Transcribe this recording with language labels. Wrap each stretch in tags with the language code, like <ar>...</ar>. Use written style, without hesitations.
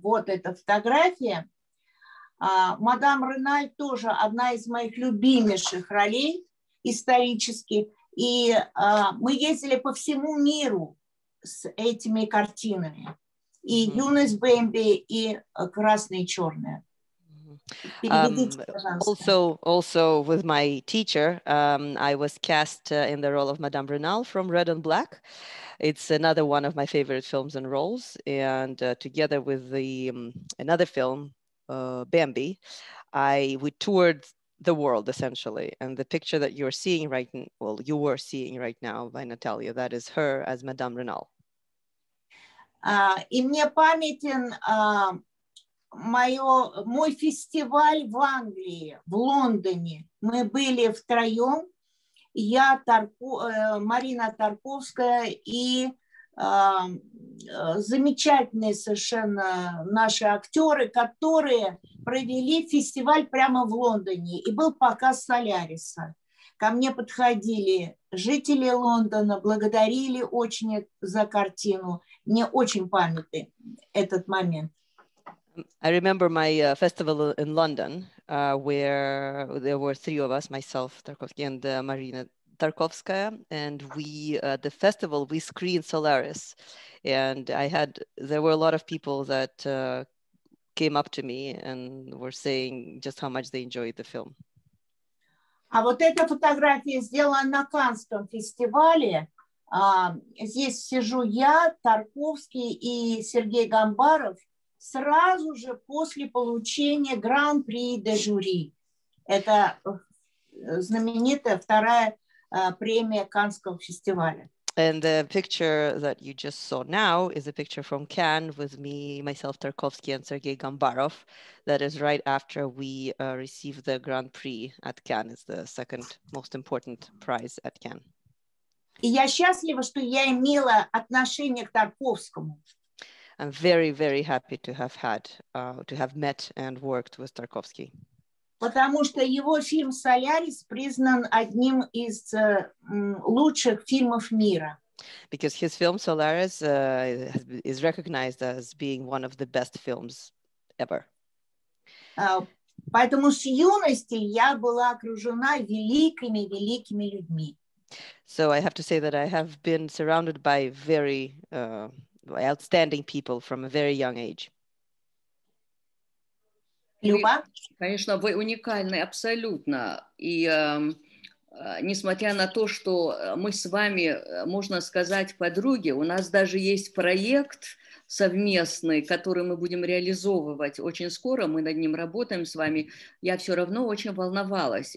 <ru>Вот эта фотография. Мадам Реналь тоже одна из моих любимейших ролей исторически. И мы ездили по всему миру с этими картинами. И «Юность Бэмби», и «Красные и черные».</ru> <en>Also with my teacher, I was cast in the role of Madame Renal from Red and Black. It's another one of my favorite films and roles. And together with another film, Bambi, we toured the world essentially, and the picture that you're seeing right now, well, you were seeing right now by Natalia, that is her as Madame Renal.</en> <ru>И мне памятен мой фестиваль в Англии, в Лондоне. Мы были втроем, я, Марина Тарковская и замечательные совершенно наши актеры, которые провели фестиваль прямо в Лондоне, и был показ «Соляриса». Ко мне подходили жители Лондона, благодарили очень за картину. Мне очень памятен этот момент.</ru> <en>I remember my festival in London, where there were three of us, myself, Tarkovsky, and Marina Tarkovskaya, and we, the festival, we screened Solaris, and there were a lot of people that came up to me and were saying just how much they enjoyed the film.</en> <ru>А вот эта фотография сделана на Каннском фестивале. Здесь сижу я, Тарковский и Сергей Гамбаров сразу же после получения гран-при де жюри. Это знаменитая вторая премия Каннского фестиваля.</ru> <en>And the picture that you just saw now is a picture from Cannes with me, myself, Tarkovsky, and Sergei Gambarov. That is right after we received the Grand Prix at Cannes. It's the second most important prize at Cannes.</en> <ru>Я счастлива, что я имела отношение к Тарковскому.</ru> <en>I'm very, very happy to have had, to have met and worked with Tarkovsky.</en> <ru>Потому что его фильм «Солярис» признан одним из лучших фильмов мира.</ru> <en>Because his film «Solaris» is recognized as being one of the best films ever.</en> <ru>Поэтому с юности я была окружена великими людьми.</ru> <en>So I have to say that I have been surrounded by very outstanding people from a very young age.</en> <ru>Люба? Конечно, вы уникальны абсолютно. И несмотря на то, что мы с вами, можно сказать, подруги, у нас даже есть проект совместный, который мы будем реализовывать очень скоро, мы над ним работаем с вами, я все равно очень волновалась.</ru>